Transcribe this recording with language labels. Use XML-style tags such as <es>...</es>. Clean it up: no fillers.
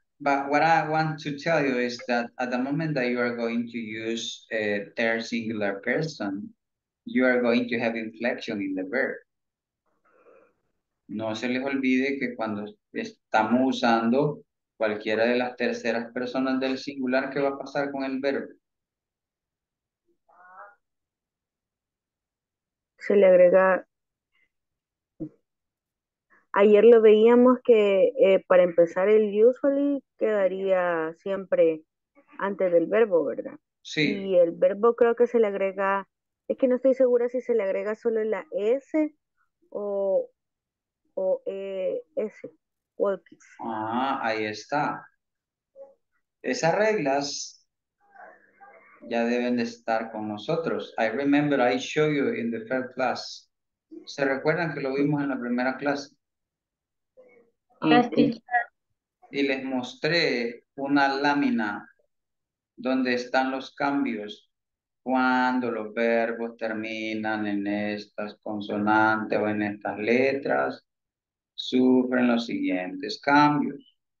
<en>But what I want to tell you is that at the moment that you are going to use a third singular person, you are going to have inflection in the verb.</en> <es>No se les olvide que cuando estamos usando cualquiera de las terceras personas del singular, ¿qué va a pasar con el verbo? Se le agrega. Ayer lo veíamos que para empezar el usually quedaría siempre antes del verbo, ¿verdad? Sí. Y el verbo creo que se le agrega, es que no estoy segura si se le agrega solo la S o E-S, walkies. Ah, ahí está. Esas reglas ya deben de estar con nosotros.</es> <en>I remember I showed you in the first class.</en> <es>¿Se recuerdan que lo vimos en la primera clase? Y les mostré una lámina donde están los cambios. Cuando los verbos terminan en estas consonantes o en estas letras, sufren los siguientes cambios.</es>